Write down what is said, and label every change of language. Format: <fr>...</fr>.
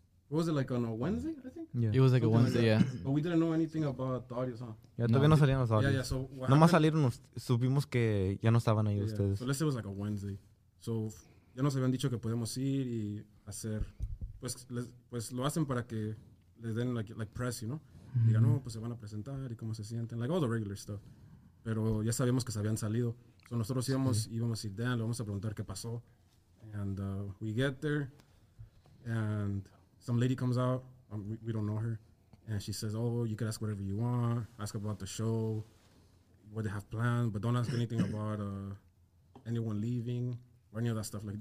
<en>What was it, like, on a Wednesday, I think? Yeah. It was like something a Wednesday, like, yeah. But we didn't know anything about the audios, huh?</en> <es>Yeah, todavía no salían los audios.</es> <en>Yeah, yeah, so what</en> <es>nomás salieron, supimos que ya no estaban ahí, yeah, ustedes.</es> <en>So let's say it was like a Wednesday.</en> <es>So ya nos habían dicho que podemos ir y hacer, pues, pues lo hacen para que les den,</es> <en>like press, you know?</en> <es>Mm-hmm. Digan, no, pues se van a presentar y cómo se sienten,</es> <en>like all the regular stuff.</en> <es>Pero ya sabíamos que se habían salido. So nosotros íbamos, sí, íbamos a</es> <en>sit down,</en> <es>le vamos a preguntar qué pasó.</es> <en>And we get there, and some lady comes out. We don't know her. And she says, oh, you can ask whatever you want. Ask about the show, what they have planned. But don't ask anything about anyone leaving or any of that stuff. Like,</en>